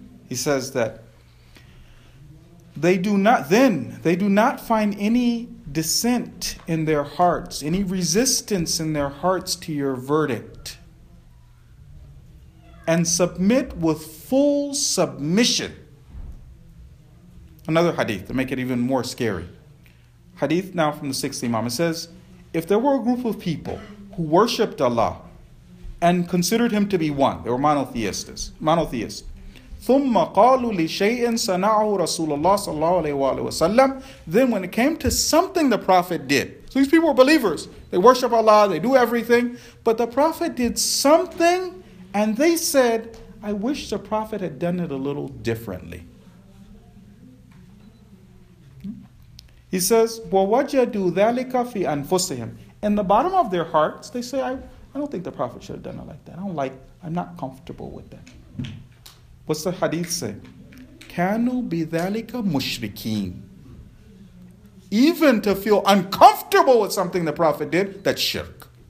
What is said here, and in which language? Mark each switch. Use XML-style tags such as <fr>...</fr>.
<en>He says that, They do not find any dissent in their hearts, any resistance in their hearts to your verdict, and submit with full submission. Another hadith to make it even more scary. Hadith now from the sixth Imam. It says, if there were a group of people who worshipped Allah and considered Him to be one, they were monotheists.</en> <ar>ثم قالوا لشيء صنعه رسول الله صلى الله عليه وسلم.</ar> <en>Then when it came to something the Prophet did, so these people were believers, they worship Allah, they do everything, but the Prophet did something, and they said, I wish the Prophet had done it a little differently. He says,</en> <ar>ووجدوا ذلك في أنفسهم.</ar> <en>In the bottom of their hearts, they say, I don't think the Prophet should have done it like that. I'm not comfortable with that. What's the hadith say?</en> <ar>كَانُوا بِذَلِكَ مُشْرِكِينَ.</ar> <en>Even to feel uncomfortable with something the Prophet did, that's shirk.</en>